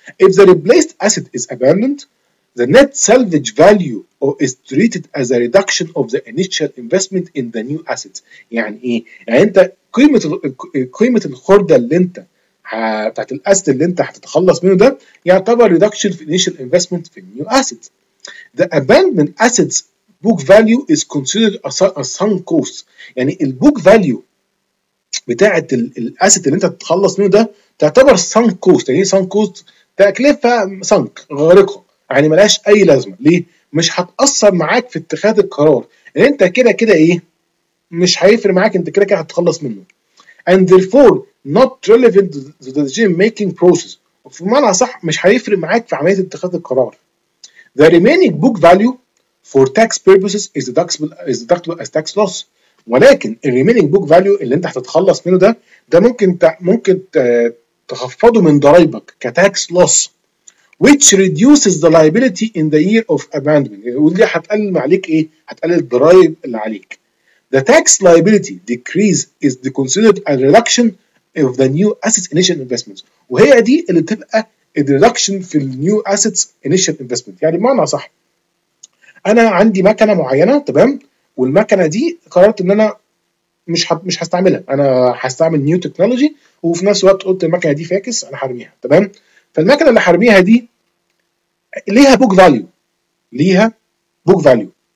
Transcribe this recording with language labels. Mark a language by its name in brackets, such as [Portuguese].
[English] if the replaced asset is abandoned the net salvage value or is treated as a reduction of the initial investment in the new asset. [Arabic] يعني ايه؟ يعني انت قيمة الخردة اللي انت بتاعت الاسد اللي انت هتتخلص منه ده يعتبر reduction في initial investment في new asset. [English] The abandoned assets book value is considered a sunk cost. [Arabic] يعني البوك فاليو بتاعت الاسد اللي انت هتتخلص منه ده تعتبر sunk cost. يعني sunk cost؟ تكلفة sunk، غارقة، يعني ملاش اي لازمه. ليه؟ مش هتاثر معاك في اتخاذ القرار، ان انت كده كده ايه مش هيفرق معاك، انت كده كده هتخلص منه. [English] and therefore not relevant to the decision making process، [Arabic] وفي معنى صح مش هيفرق معاك في عمليه اتخاذ القرار. [English] the remaining book value for tax purposes is deductible as tax loss. [Arabic] ولكن ال [English] remaining book value [Arabic] اللي انت هتتخلص منه ده ممكن تخفضه من ضرايبك [English] كtax loss، which reduces the liability in the year of abandonment. [Arabic] واللي هتقلل عليك ايه؟ هتقلل الضرائب اللي عليك. [English] The tax liability decrease is considered a reduction of the new assets initial investments. [Arabic] وهي دي اللي تبقى [English] a reduction في the new assets initial investment. [Arabic] يعني بمعنى صح، انا عندي مكنة معينة، تمام؟ والمكنة دي قررت ان انا مش هستعملها، انا هستعمل new technology، وفي نفس الوقت قلت المكنة دي فاكس انا هرميها، تمام؟ فالمكنة اللي هرميها دي ليها book value، ليها book value.